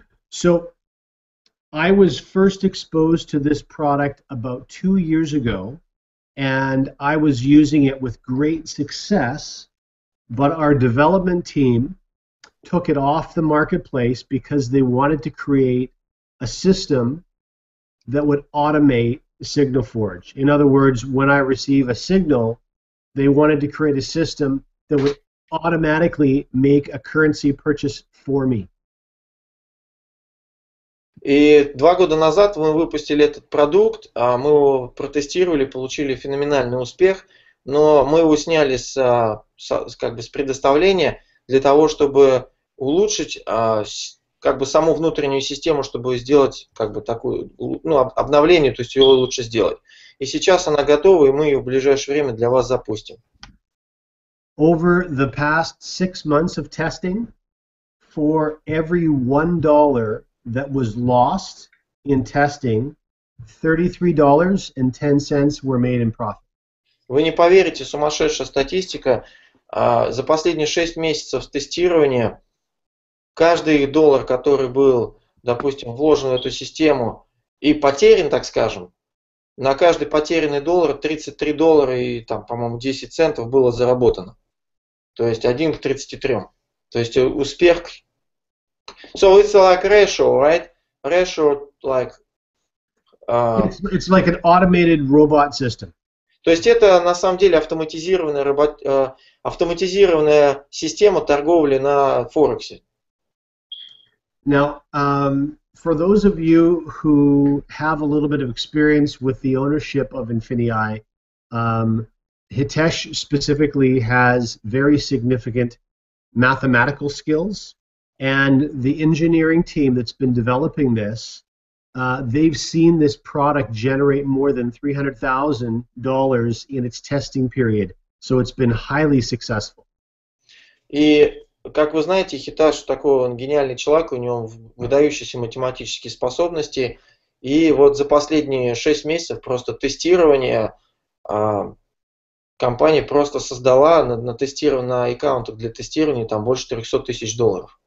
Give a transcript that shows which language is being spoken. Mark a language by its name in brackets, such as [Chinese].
[English] So, I was first exposed to this product about 2 years ago, and I was using it with great success, but our development team took it off the marketplace because they wanted to create a system that would automate Signal Forge. In other words, when I receive a signal, they wanted to create a system that would automatically make a currency purchase for me. [Russian] И 2 года назад мы выпустили этот продукт, мы его протестировали, получили феноменальный успех, но мы его сняли с предоставления для того, чтобы улучшить саму внутреннюю систему, чтобы сделать обновление, то есть его лучше сделать. И сейчас она готова, и мы ее в ближайшее время для вас запустим. [English] Over the past 6 months of testing, for every $1 that was lost in testing, $33.10 were made in profit. [Russian] Вы не поверите, сумасшедшая статистика. За последние 6 месяцев тестирования каждый доллар, который был, допустим, вложен в эту систему и потерян, так скажем, на каждый потерянный доллар $33 и, там, по-моему, 10 центов было заработано. То есть 1 к 33. То есть успех... [English] So it's like ratio, right? Ratio like... It's like an automated robot system. [Russian] То есть это на самом деле автоматизированная система торговли на Форексе. [English] Now, for those of you who have a little bit of experience with the ownership of Infinii, Hitesh specifically has very significant mathematical skills, and the engineering team that's been developing this, they've seen this product generate more than $300,000 in its testing period, so it's been highly successful. [Russian] Как вы знаете, Хитаж такой, он гениальный человек, у него выдающиеся математические способности. И вот за последние 6 месяцев просто тестирование компания просто создала на аккаунтах для тестирования там больше $300,000.